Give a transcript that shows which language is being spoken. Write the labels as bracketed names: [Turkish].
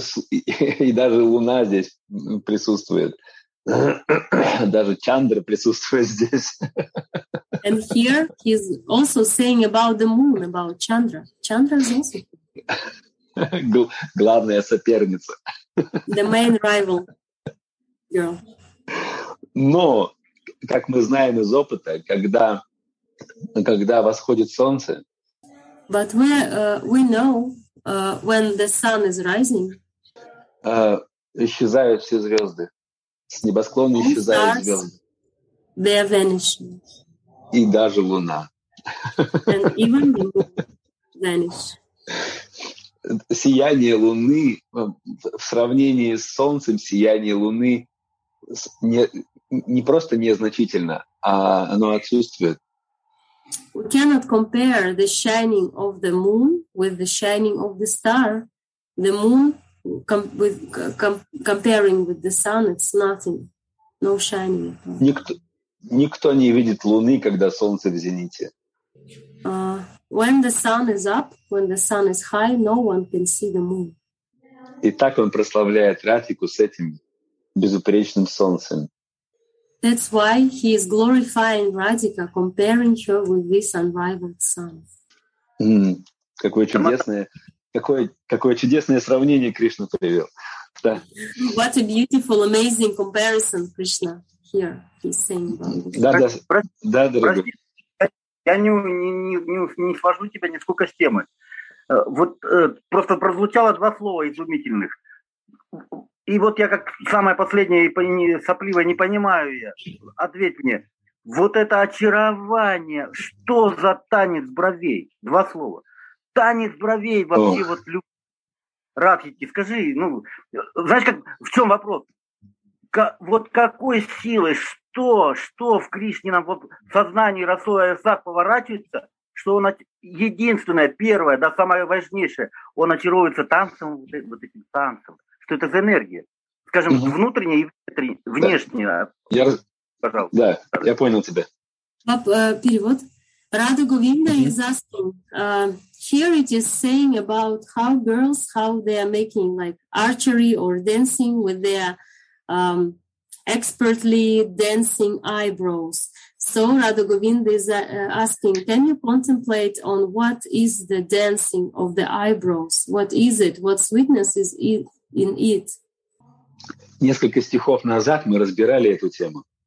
[Russian] И даже луна здесь присутствует. Даже Чандра присутствует здесь. [English] And here he's also saying about the moon, about Chandra. Chandra is also. [Russian] Главная соперница. [English] The main rival girl. [Russian] Но, как мы знаем из опыта, когда восходит солнце. [English] But we know when the sun is rising. [Russian] Исчезают все звезды. С небосклона исчезают звезды. [English] They are vanishing. [Russian] И даже луна. [English] And even the moon vanish. [Russian] Сияние луны в сравнении с солнцем, сияние луны не просто незначительно, а оно отсутствует. [English] We cannot compare the shining of the moon with the shining of the star. The moon comparing with the sun, it's nothing. No shining at all. [Russian] Никто, Никто не видит луны, когда солнце в зените. [English] When the sun is up, when the sun is high, no one can see the moon. [Russian] И так он прославляет Радхику с этим безупречным солнцем. [English] That's why he is glorifying Radhika, comparing her with this unrivaled sun. [Russian] Какое чудесное сравнение Кришна привел. Да. [English] What a beautiful, amazing comparison, Krishna. Here he's saying. [Russian] Да, дорогой. Я не свожу тебя нисколько с темы. Просто прозвучало два слова изумительных. И вот я как самая последняя и сопливая, не понимаю я. Ответь мне. Вот это очарование. Что за танец бровей? Два слова. Танец бровей вообще вот любви. Радхики, скажи, знаешь, как, в чем вопрос? Вот какой силой, что в Кришненом вот, в сознании Расоя Сах поворачивается, что он единственное, первое, да самое важнейшее, он очаровывается танцем, вот этим танцем. Что это за энергия? Скажем, внутренняя и внутренняя, внешняя. Да. Пожалуйста. Да, я понял тебя. Перевод. [English] Radha Govinda is asking, here it is saying about how girls, how they are making like archery or dancing with their expertly dancing eyebrows. So Radha Govinda is asking, can you contemplate on what is the dancing of the eyebrows? What is it? What sweetness is it in it? [Russian] Несколько стихов назад мы разбирали эту тему.